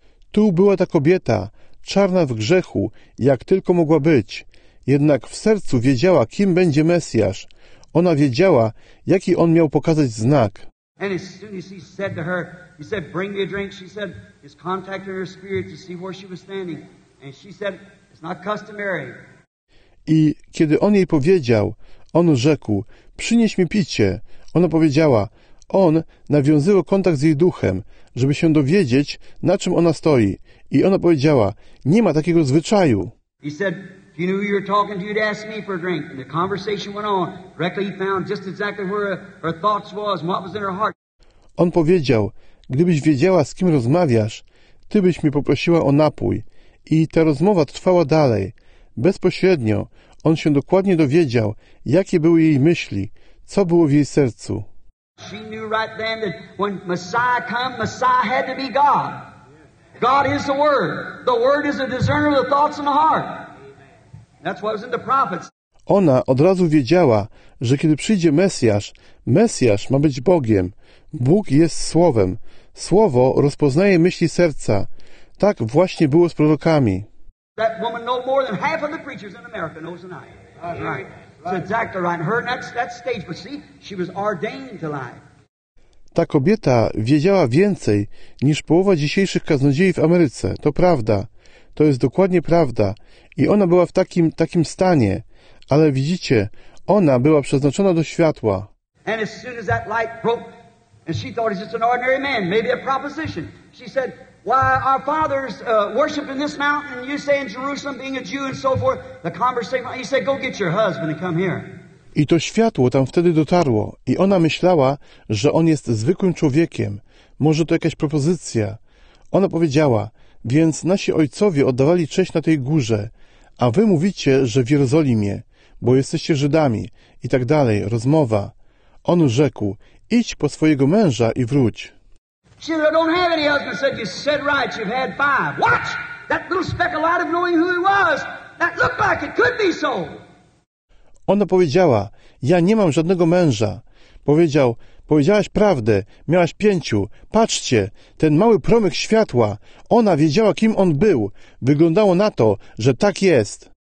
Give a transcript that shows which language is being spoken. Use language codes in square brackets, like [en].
[pl] Tu była ta kobieta, czarna w grzechu, jak tylko mogła być, jednak w sercu wiedziała, kim będzie Mesjasz. Ona wiedziała, jaki on miał pokazać znak. [en] And as soon as he said to her, he said, bring me a drink. She said, he's contacting her spirit to see where she was standing. And she said, it's not customary. [pl] I kiedy on jej powiedział, on rzekł, przynieś mi picie. Ona powiedziała, on nawiązywał kontakt z jej duchem, żeby się dowiedzieć, na czym ona stoi. I ona powiedziała, nie ma takiego zwyczaju. [en] He said, if you knew who you were talking to, you'd ask me for a drink. And the conversation went on. Directly he found just exactly where her thoughts was and what was in her heart. [pl] On powiedział, gdybyś wiedziała, z kim rozmawiasz, ty byś mi poprosiła o napój. I ta rozmowa trwała dalej. Bezpośrednio on się dokładnie dowiedział, jakie były jej myśli, co było w jej sercu. [en] She knew right then that when Messiah come, Messiah had to be God. God is the Word. The Word is a discerner of the thoughts and the heart. That's what was in the prophets. [pl] Ona od razu wiedziała, że kiedy przyjdzie Mesjasz, Mesjasz ma być Bogiem. Bóg jest Słowem. Słowo rozpoznaje myśli serca. Tak właśnie było z prorokami. [en] That woman knows more than half of the preachers in America knows than I. Right. So exactly right. Her that stage, but see, she was ordained to lie. [pl] Ta kobieta wiedziała więcej niż połowa dzisiejszych kaznodziei w Ameryce. To prawda. To jest dokładnie prawda. I ona była w takim stanie. Ale widzicie, ona była przeznaczona do światła. [en] And as soon as that light broke, and she thought he's just an ordinary man, maybe a proposition. She said, why our fathers worship in this mountain, you say in Jerusalem, being a Jew and so forth, the conversation, he said, go get your husband and come here. [pl] I to światło tam wtedy dotarło i ona myślała, że on jest zwykłym człowiekiem. Może to jakaś propozycja. Ona powiedziała, więc nasi ojcowie oddawali cześć na tej górze, a wy mówicie, że w Jerozolimie, bo jesteście Żydami i tak dalej, rozmowa. On rzekł, idź po swojego męża i wróć. [en] She said, I don't have any husband. Said, you said right, you've had five. What? That little speck of light of knowing who he was, that looked like it could be so. [pl] Ona powiedziała, ja nie mam żadnego męża. Powiedział, powiedziałaś prawdę, miałaś pięciu. Patrzcie, ten mały promyk światła. Ona wiedziała, kim on był. Wyglądało na to, że tak jest.